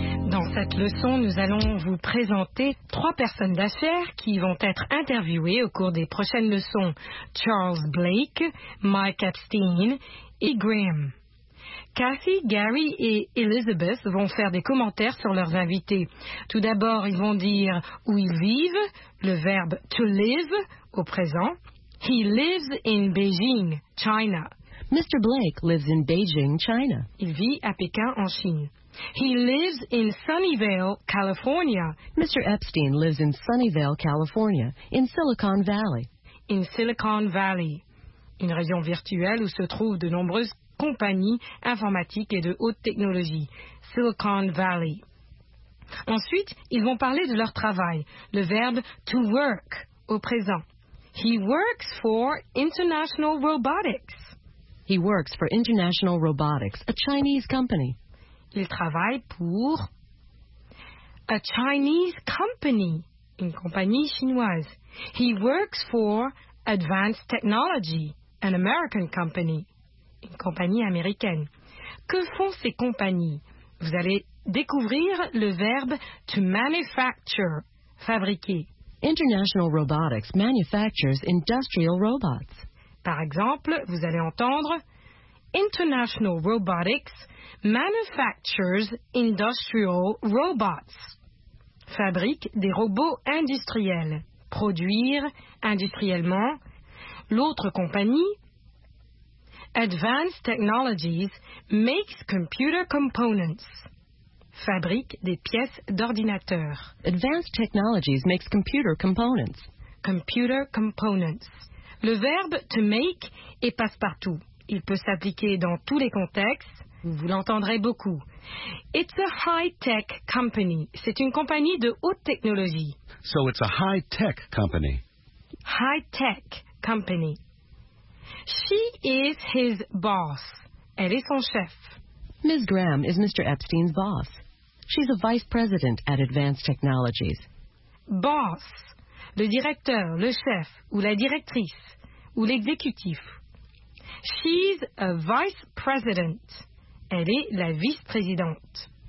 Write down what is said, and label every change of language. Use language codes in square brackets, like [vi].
[fr] Dans cette leçon, nous allons vous présenter trois personnes d'affaires qui vont être interviewées au cours des prochaines leçons. Charles Blake, Mike Epstein et Graham. Kathy, Gary et Elizabeth vont faire des commentaires sur leurs invités. Tout d'abord, ils vont dire où ils vivent, le verbe to live au présent. [en] He lives in Beijing, China. Mr. Blake lives in Beijing, China. [fr] Il vit à Pékin en Chine. [en] He lives in Sunnyvale, California. Mr. Epstein lives in Sunnyvale, California, in Silicon Valley. In Silicon Valley, [fr] une région virtuelle où se trouvent de nombreuses compagnies informatiques et de haute technologie. Silicon Valley. Ensuite, ils vont parler de leur travail, le verbe to work au présent. [en] He works for International Robotics. He works for International Robotics, a Chinese company. [fr] Il travaille pour [en] a Chinese company, [fr] une compagnie chinoise. [en] He works for Advanced Technology, an American company, [fr] une compagnie américaine. Que font ces compagnies? Vous allez découvrir le verbe to manufacture, fabriquer. [en] International Robotics manufactures industrial robots. [fr] Par exemple, vous allez entendre [en] International Robotics manufactures industrial robots. [fr] Fabrique des robots industriels. Produire industriellement. L'autre compagnie, [en] Advanced Technologies makes computer components. [fr] Fabrique des pièces d'ordinateur. [en] Advanced Technologies makes computer components. Computer components. [fr] Le verbe to make est passe-partout. Il peut s'appliquer dans tous les contextes. Vous l'entendrez beaucoup. [en] It's a high-tech company. [fr] C'est une compagnie de haute technologie. [en] So it's a high-tech company. High-tech company. She is his boss. [fr] Elle est son chef. [en] Ms. Graham is Mr. Epstein's boss. She's a vice president at Advanced Technologies. Boss. [fr] Le directeur, le chef, ou la directrice, ou l'exécutif. [en] She's a vice president. [fr] Elle est la vice-présidente.